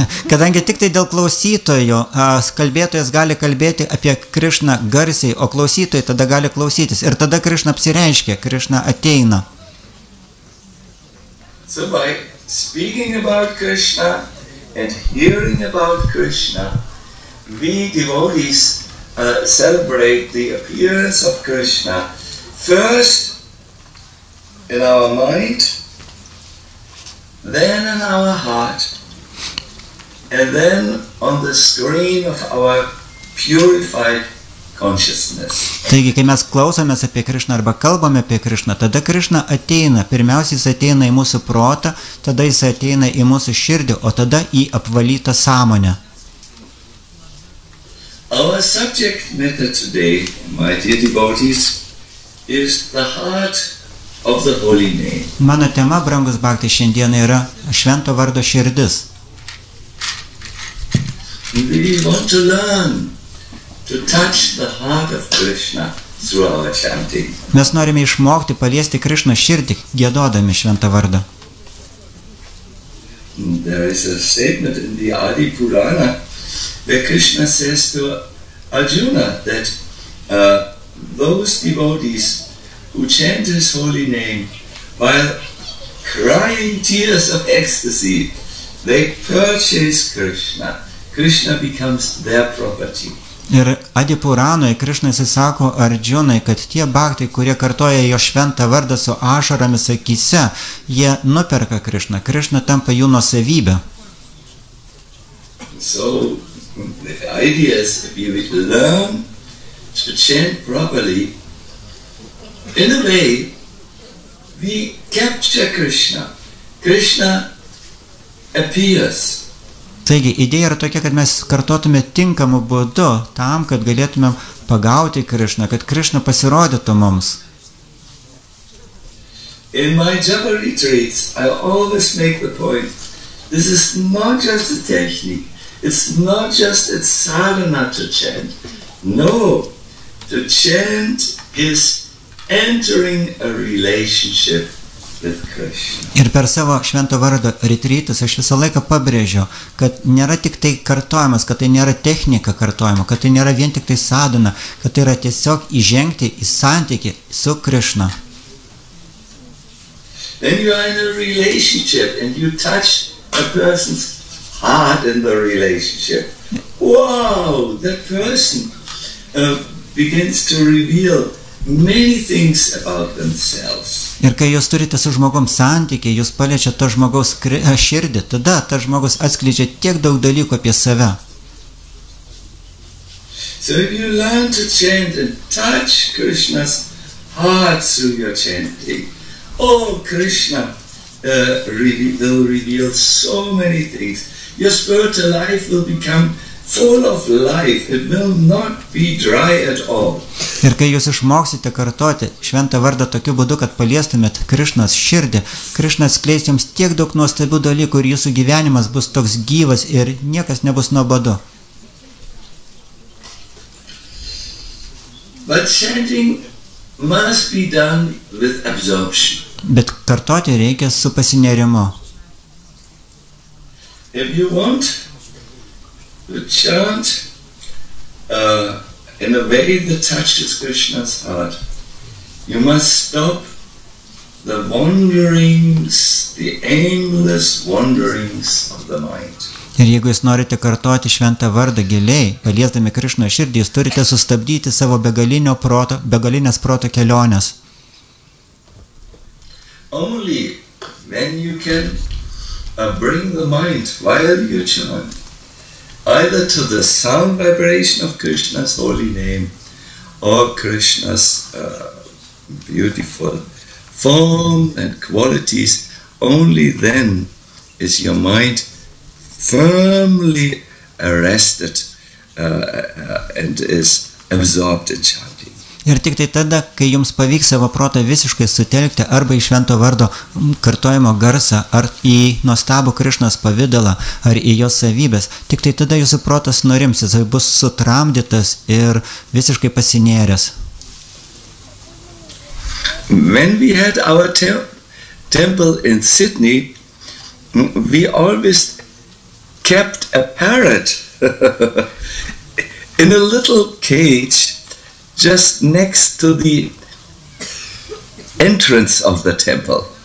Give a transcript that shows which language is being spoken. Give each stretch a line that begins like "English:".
Lithuanian: Kadangi tik tai dėl klausytojų, kalbėtojas gali kalbėti apie Krišną garsiai, o klausytojai tada gali klausytis. Ir tada Krišna apsireiškia, Krišna ateina.
English: So by speaking about Krishna and hearing about Krishna, we devotees celebrate the appearance of Krishna first in our mind, then in our heart, and then on the screen of our purified consciousness.
Lithuanian: Taigi, kai mes klausomės apie Krišną arba kalbame apie Krišną, tada Krišna ateina. Pirmiausiai jis ateina į mūsų protą, tada jis ateina į mūsų širdį, o tada į apvalytą sąmonę.
English: Our subject matter today, my dear devotees, is the heart of the holy name.
Lithuanian: Mano tema, brangus Bhakti, šiandieną yra švento vardo širdis.
English: We want to learn to touch the heart of Krishna through our chanting.
Lithuanian: Mes norime išmokti paliesti Krishna širdį, giedodami šventą vardą.
English: There is a statement in the Adi Purana where Krishna says to Arjuna that those devotees who chant his holy name while crying tears of ecstasy, they purchase Krishna. Krishna becomes their property.
Lithuanian: Ir Adi Puranoje Krishna sako Arjunai, kad tie bhaktai, kurie kartoja jo šventą vardą su ašaromis akise, jie nuperka Krishna. Krishna tampa jų nuosavybė.
English: So the idea is if you learn to chant properly, in a way, we capture Krishna. Krishna appears.
Lithuanian: Taigi, idėja yra tokia, kad mes kartotume tinkamu būdu tam, kad galėtumėm pagauti Krishna, kad Krishna pasirodytų mums.
English: In my Java retreats, I always make the point, this is not just a technique, it's not just a sadhana to chant. No, to chant is entering a relationship.
Lithuanian: Ir per savo švento vardo retrytus aš visą laiką pabrėžiu, kad nėra tik tai kartojimas, kad tai nėra technika kartojimo, kad tai nėra vien tik tai sadhana, kad tai yra tiesiog įžengti į santykį su Krishna.
English: Then you are in a relationship and you touch a person's heart in the relationship. Wow, that person begins to reveal many things about themselves.
Lithuanian: Ir kai jūs turite su žmogom santykį, jūs paliečiate to žmogaus širdį, tada tas žmogus atskleidžia tiek daug dalykų apie save.
English: So if you learn to chant and touch Krishna's heart through your chanting, oh Krishna will reveal so many things. Your spiritual life will become full of life, it will not be dry at all.
Lithuanian: Ir kai jūs išmoksite kartoti šventą vardą tokiu būdu, kad paliestumėt Krišnas širdį, Krišnas skleis jums tiek daug nuostabių dalykų ir jūsų gyvenimas bus toks gyvas ir niekas nebus nuobodu.
English: But chanting must be done with absorption.
Lithuanian: Bet kartoti reikia su pasinerimu.
English: If you want to chant in a way that touches Krishna's heart, you must stop the wanderings, the aimless wanderings of the mind.
Lithuanian: Ir jeigu jūs norite kartoti šventą vardą giliai, paliesdami Krišno širdį, jūs turite sustabdyti savo begalinio proto, begalinės proto kelionės.
English: Only when you can bring the mind while you chant either to the sound vibration of Krishna's holy name or Krishna's beautiful form and qualities, only then is your mind firmly arrested and is absorbed in chanting.
Lithuanian: Ir tik tai tada, kai jums pavyks savo protą visiškai sutelkti arba į švento vardo kartojimo garsą, ar į nuostabų Krišnos pavidalą, ar į jos savybės, tik tai tada jūsų protas nurims, jis bus sutramdytas ir visiškai pasinėręs.
English: When we had our temple in Sydney, we always kept a parrot in a little cage just next to the entrance of the temple.